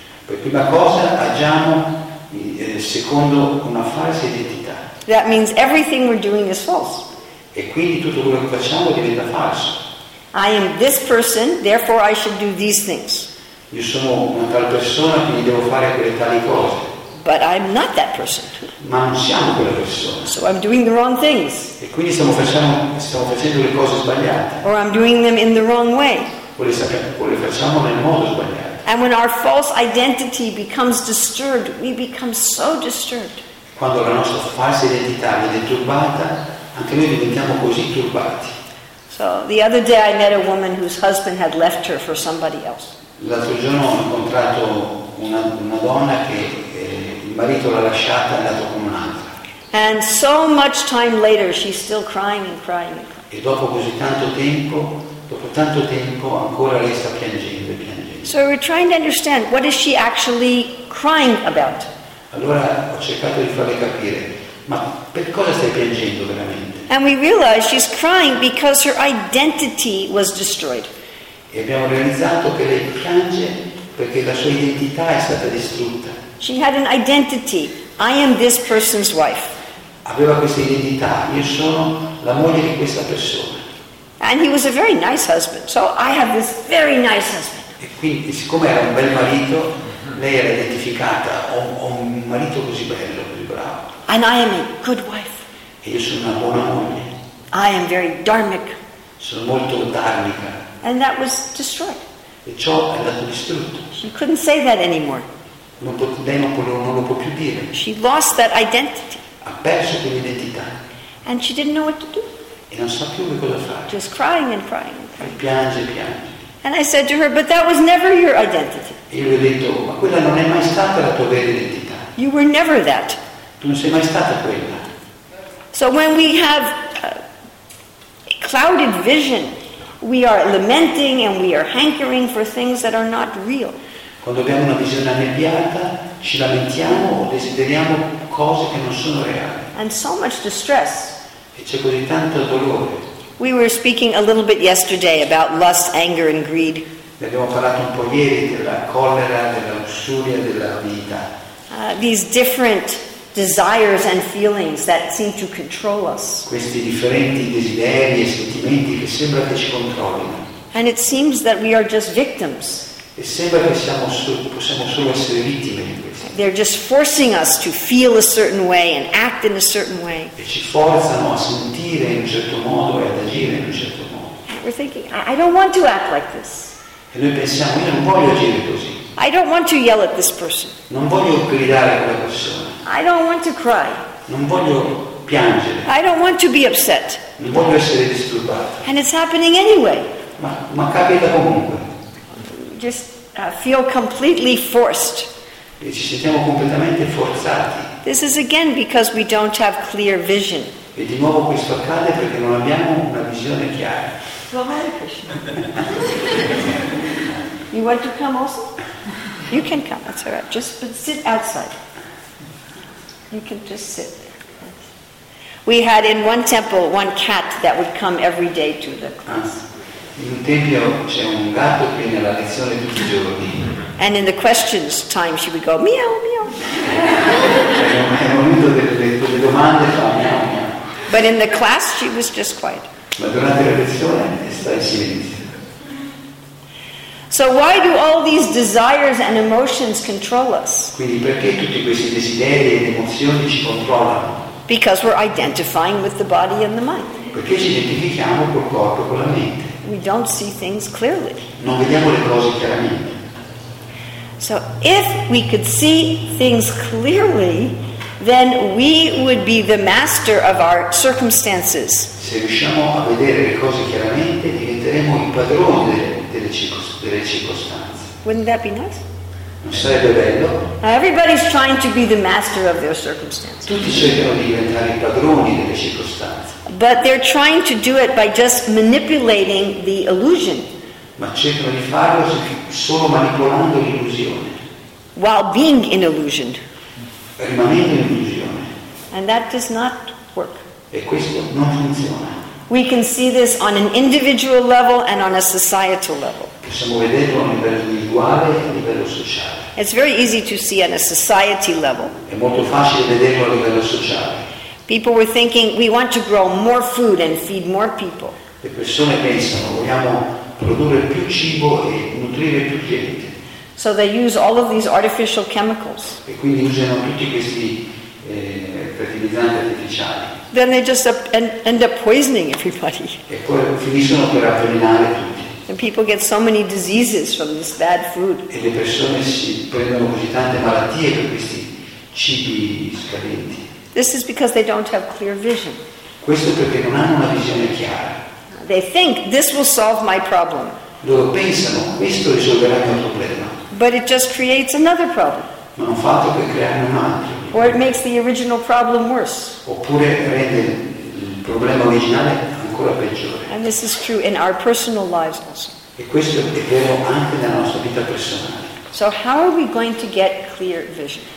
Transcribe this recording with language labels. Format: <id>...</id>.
<it>Per prima cosa agiamo secondo una falsa identità.</it> <en>That means everything we're doing is false.</en> <it>E quindi tutto quello che facciamo diventa falso.</it> <en>I am this person, therefore I should do these things.</en> <it>Io sono una tal persona, quindi devo fare quelle tali cose.</it> <en>But I'm not that person.</en> <it>Ma non siamo quella persona.</it> <en>So I'm doing the wrong things.</en> <it>E quindi stiamo facendo le cose sbagliate.</it> <en>Or I'm doing them in the wrong way.</en> <it>O le facciamo nel modo sbagliato.</it> <en>And when our false identity becomes disturbed, we become so disturbed.</en> <it>Quando la nostra falsa identità viene turbata, anche noi diventiamo così turbati.</it> <en>So the other day I met a woman whose husband had left her for somebody else.</en> <it>L'altro giorno ho incontrato una donna che il marito l'ha lasciata e è andato con un'altra.</it> <en>And so much time later, she's still crying and crying.</en> <it>E dopo così tanto tempo, ancora lei sta piangendo e piangendo.</it> <en>So we're trying to understand what is she actually crying about.</en> <it>Allora ho cercato di farle capire, ma per cosa stai piangendo veramente?</it> <en>And we realize she's crying because her identity was destroyed.</en> <it>E abbiamo realizzato che lei piange perché la sua identità è stata distrutta.</it> <en>She had an identity. I am this person's wife.</en> <it>Aveva questa identità. Io sono la moglie di questa persona.</it> <en>And he was a very nice husband. So I have this very nice husband.</en> <it>E quindi, siccome era un bel marito, lei era identificata. Ho un marito così bello, così bravo.</it> <en>And I am a good wife.</en> <it>E io sono una buona moglie.</it> <en>I am very dharmic.</en> <it>Sono molto dharmica.</it> <en>And that was destroyed.</en> <it>E ciò è andato distrutto.</it> <en>She couldn't say that anymore.</en> <it>Non lo può più dire.</it> <en>She lost that identity.</en> <it>Ha perso quell'identità.</it> <en>And she didn't know what to do.</en> <it>E non sa più che cosa fare.</it> <en>Just crying and crying.</en> <it>E piange e piange.</it> <en>And I said to her, but that was never your identity.</en> <it>E io le ho detto, ma quella non è mai stata la tua vera identità.</it> <en>You were never that.</en> <it>Tu non sei mai stata quella.</it> <en>So when we have a clouded vision, we are lamenting and we are hankering for things that are not real.</en> <it>Quando abbiamo una visione annebbiata, ci lamentiamo o desideriamo cose che non sono reali.</it> <en>And so much distress.</en> <it>E c'è così tanto dolore.</it> <en>We were speaking a little bit yesterday about lust, anger, and greed.</en> <it>Abbiamo parlato un po' ieri della collera, della lussuria, della avidità.</it> <en>These different desires and feelings that seem to control us.</en> <it>Questi differenti desideri e sentimenti che sembra che ci controllino.</it> <en>And it seems that we are just victims.</en> <it>E sembra che siamo possiamo solo essere vittime di questo.</it> <en>They're just forcing us to feel a certain way and act in a certain way.</en> <it>E ci forzano a sentire in un certo modo e ad agire in un certo modo.</it> <en>We're thinking, I don't want to act like this.</en> <it>E noi pensiamo, io non voglio agire così.</it> <en>I don't want to yell at this person.</en> <it>Non voglio gridare a quella persona.</it> <en>I don't want to cry.</en> <it>Non voglio piangere.</it> <en>I don't want to be upset.</en> <it>Non voglio essere disturbato.</it> <en>And it's happening anyway.</en> <it>Ma capita comunque.</it> <en>Just feel completely forced.</en> <it>E ci sentiamo completamente forzati.</it> <en>This is again because we don't have clear vision.</en> <it>E di nuovo questo accade perché non abbiamo una visione chiara.</it> <en>You want to come also? You can come, that's all right. But sit outside. You can just sit there. We had in one temple one cat that would come every day to the class.</en> <it>In un tempio c'è un gatto che viene alla lezione tutti i giorni.</it> <en>And in the questions time she would go meow meow.</en> <it>Nel momento delle domande fa meow meow.</it> <en>But in the class she was just quiet.</en> <it>Ma durante la lezione sta in silenzio.</it> <en>So why do all these desires and emotions control us?</en> <it>Quindi perché tutti questi desideri ed emozioni ci controllano?</it> <en>Because we're identifying with the body and the mind.</en> <it>Perché ci identifichiamo col corpo e con la mente.</it> <en>We don't see things clearly.</en> <it>Non vediamo le cose chiaramente.</it> <en>So if we could see things clearly, then we would be the master of our circumstances.</en> <it>Se riusciamo a vedere le cose chiaramente, diventeremo il padrone delle circostanze.</it> <en>Wouldn't that be nice?</en> <it>Non sarebbe bello?</it> <en>Everybody's trying to be the master of their circumstances.</en> <it>Tutti cercano di diventare i padroni delle circostanze.</it> <en>But they're trying to do it by just manipulating the illusion.</en> <it>Ma cercano di farlo solo manipolando l'illusione.</it> <en>While being in illusion.</en> <it>Rimanendo in illusione.</it> <en>And that does not work.</en> <it>E questo non funziona.</it> <en>We can see this on an individual level and on a societal level.</en> <it>Possiamo vederlo a livello individuale e a livello sociale.</it> <en>It's very easy to see on a society level.</en> <it>È molto facile vederlo a livello sociale.</it> <en>People were thinking, we want to grow more food and feed more people.</en> <it>Le persone pensano, vogliamo produrre più cibo e nutrire più gente.</it> <en>So they use all of these artificial chemicals.</en> <it>E quindi usano tutti questi fertilizzanti artificiali.</it> <en>Then they just end up poisoning everybody.</en> <it>E poi finiscono per avvelenare tutti.</it> <en>And people get so many diseases from this bad food.</en> <it>E le persone si prendono così tante malattie per questi cibi scadenti.</it> <en>This is because they don't have clear vision.</en> <it>Questo perché non hanno una visione chiara.</it> <en>They think this will solve my problem.</en> <it>Loro pensano questo risolverà il mio problema.</it> <en>But it just creates another problem.</en> <it>Ma non fa altro che creare un altro.</it> <en>Or it makes the original problem worse.</en> <it>Oppure rende il problema originale ancora peggiore.</it> <en>And this is true in our personal lives also.</en> <it>E questo è vero anche nella nostra vita personale.</it> <en>So how are we going to get clear vision?</en>